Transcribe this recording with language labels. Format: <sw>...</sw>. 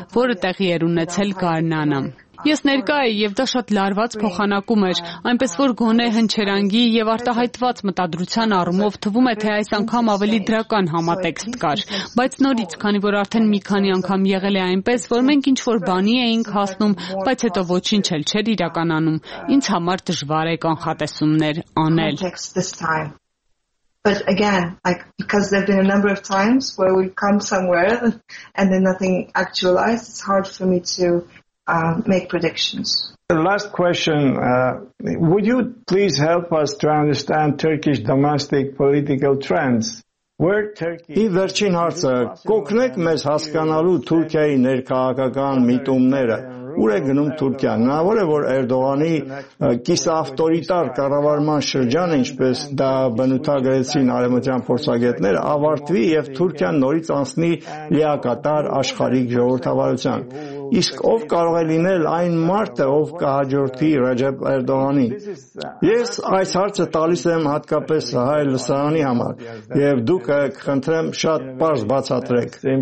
<hy>որը տեղի էր ունեցել Գարնանը։ Ես ներկա էի եւ դա շատ լարված փոխանակում էր, այնպես որ գոնե հնչերանգի եւ արտահայտված մտադրության առումով թվում է, թե այս անգամ ավելի դրական համատեքստ կար, բայց նորից, քանի որ արդեն մի քանի անգամ եղել է այնպես, որ մենք ինչ-որ բանի էինք հասնում, բայց հետո ոչինչ էլ չէր իրականանում, ինձ համար դժվար է կանխատեսումներ անել։</hy> <en>But again, like, because there have been a number of times where we've come somewhere and then nothing actualized, it's hard for me to make predictions. The last question, would you please help us to understand Turkish domestic political trends?</en> <hy>Ի վերջին հարցը, կօգնեք մեզ հասկանալու Թուրքիայի ներքաղաքական միտումները։ Ուր է գնում Թուրքիան։ Հնարավոր է, որ Էրդողանի կիսաավտորիտար կառավարման շրջանը, ինչպես դա բնութագրեցին արևմտյան փորձագետները, ավարտվի եւ Թուրքիան նորից անցնի լիակատար աշխարհի ժողովրդավարության։ Իսկ ով կարող է լինել այն մարդը, ով կհաջորդի Ռեջեփ Էրդողանին։ Ես այս հարցը տալիս եմ հատկապես հայ լսարանի համար, եւ դուք կխնդրեմ շատ պարզ բացատրեք։</hy>